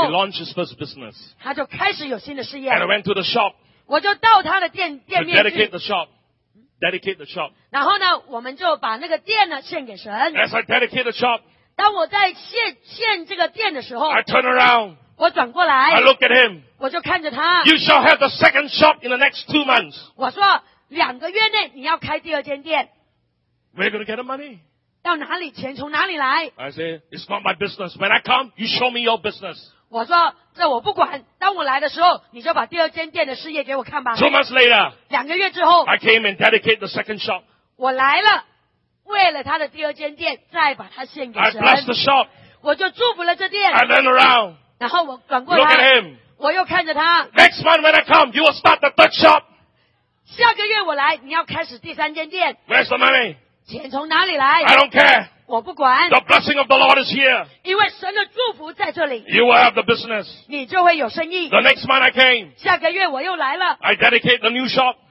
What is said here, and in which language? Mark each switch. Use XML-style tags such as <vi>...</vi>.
<en>He launched his first business.</en> <zh>他就开始有新的事业。</zh> <en>And I went to the shop.</en> <zh>我就到他的店面去。</zh> <en>To dedicate the shop. Dedicate the shop.</en> <zh>然后呢，我们就把那个店呢献给神。</zh> <en>As I dedicate the shop,</en> <zh>当我在献这个店的时候</zh> <en>，I turn around.</en> <zh>我转过来</zh> <en>，I look at him.</en> <zh>我就看着他。</zh> <en>You shall have the second shop in the next 2 months.</en> <zh>我说两个月内你要开第二间店。</zh> <en>Where are you going to get the money?</en> <zh>到哪里钱从哪里来</zh> <en>？I say it's not my business. When I come, you show me your business.</en> <zh>我说这我不管，当我来的时候你就把第二间店的事业给我看吧。</zh> <en>2 months later,</en> <zh>两个月之后</zh> <en>I came and dedicate the second shop.</en> <zh>我来了，为了他的第二间店再把他献给神。</zh> <en>I blessed the shop.</en> <zh>我就祝福了这店。</zh> <en>I turn around.</en> <zh>然后我转过来</zh> <en>look at him.</en> <zh>我又看着他。</zh> <en>Next month when I come, you will start the third shop.</en> <zh>下个月我来你要开始第三间店。</zh> <en>Where's the money?</en> <zh>钱从哪里来</zh> <en>?I don't care.</en> <zh>我不管。</zh> <en>The blessing of the Lord is here.</en> <zh>因为神的祝福在这里。</zh> <en>You will have the business.</en> <zh>你就会有生意。</zh> <en>The next month I came.</en> <zh>下个月我又来了。</zh> <en>I dedicate the new shop.</en>